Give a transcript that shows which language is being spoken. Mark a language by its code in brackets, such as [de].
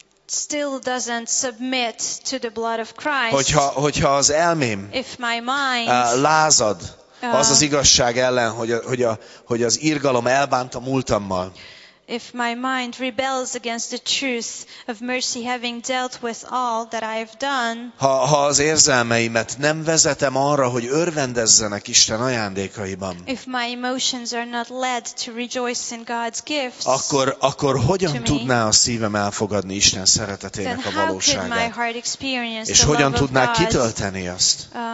[en] still doesn't submit to the blood of Christ, [hu] hogyha az elmém lázad, az az igazság ellen, hogy az irgalom elbánt a múltammal. [en] if my mind rebels against the truth of mercy, having dealt with all that I have done, [hu] ha az érzelmeimet nem vezetem arra, hogy örvendezzenek Isten ajándékaiban, [en] if my emotions are not led to rejoice in God's gifts, [hu] akkor hogyan tudná a szívem elfogadni Isten szeretetének a valóságát? [en] Then how could my heart experience the love of God? [hu] És hogyan tudná kitölteni azt?